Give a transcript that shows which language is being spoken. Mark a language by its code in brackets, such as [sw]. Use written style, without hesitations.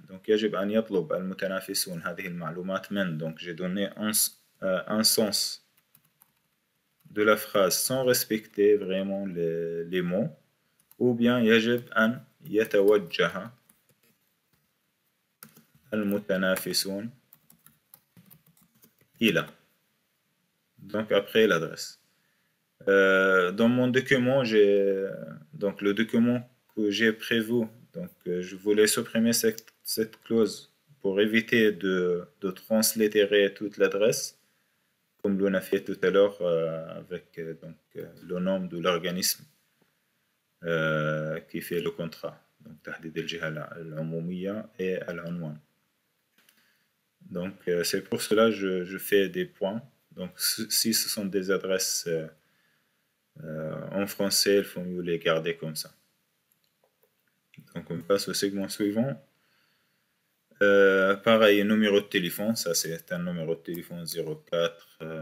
[ar] Donc يجب أن يطلب المتنافسون هذه المعلومات من. [fr] Donc j'ai donné un sens de la phrase sans respecter vraiment les mots. Ou bien [ar] يجب أن يتوجه المتنافسون إلى. [fr] Donc après l'adresse. Dans mon document, donc le document que j'ai prévu, donc je voulais supprimer cette clause pour éviter de translittérer toute l'adresse, comme l'on a fait tout à l'heure avec donc, le nom de l'organisme qui fait le contrat. [ar] Donc, تحديد الجهة العمومية et العنوان. [fr] Donc, c'est pour cela que je fais des points. Donc, si ce sont des adresses. En français, il faut mieux les garder comme ça. Donc, on passe au segment suivant. Pareil, numéro de téléphone. Ça, c'est un numéro de téléphone 04.